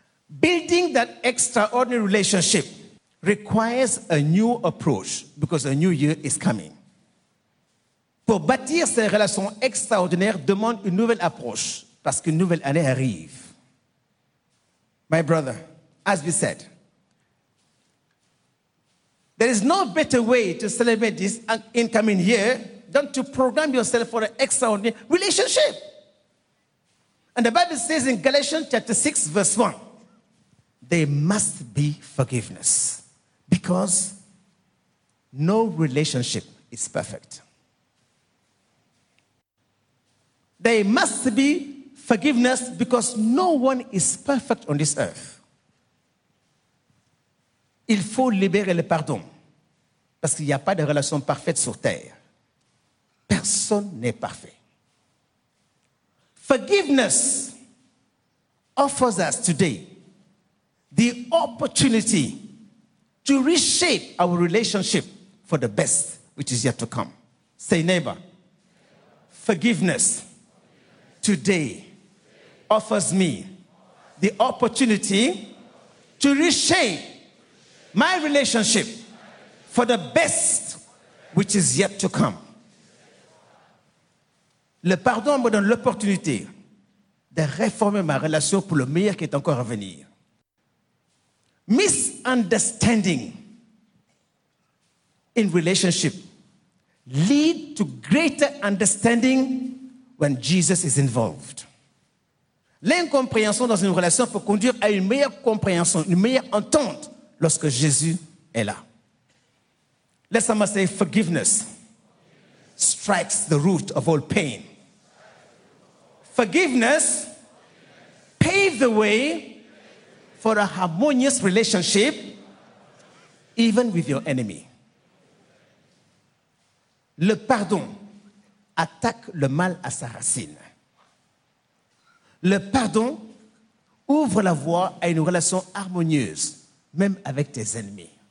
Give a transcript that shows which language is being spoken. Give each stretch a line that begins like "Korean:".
English: Building that extraordinary relationship requires a new approach because a new year is coming.
French: Pour bâtir ces relations extraordinaires demande une nouvelle approche parce qu'une nouvelle année arrive.
English: My brother, as we said, there is no better way to celebrate this incoming year than to program yourself for an extraordinary relationship. And the Bible says in Galatians chapter 6, verse 1, there must be forgiveness because no relationship is perfect. There must be forgiveness because no one is perfect on this earth.
French: Il faut libérer le pardon parce qu'il n'y a pas de relation parfaite sur terre. Personne n'est parfait.
English: Forgiveness offers us today the opportunity to reshape our relationship for the best, which is yet to come. Say, neighbor, forgiveness today offers me the opportunity to reshape my relationship for the best, which is yet to come.
French: Le pardon me donne l'opportunité de réformer ma relation pour le meilleur qui est encore à venir.
English: Misunderstanding in relationship lead to greater understanding when Jesus is involved.
French: L'incompréhension dans une relation peut conduire à une meilleure compréhension, une meilleure entente lorsque Jésus est là.
English: Let someone say, forgiveness strikes the root of all pain. Forgiveness paves the way for a harmonious relationship, even with your enemy.
French: Le pardon attaque le mal à sa racine. Le pardon ouvre la voie à une relation harmonieuse, même avec tes ennemis.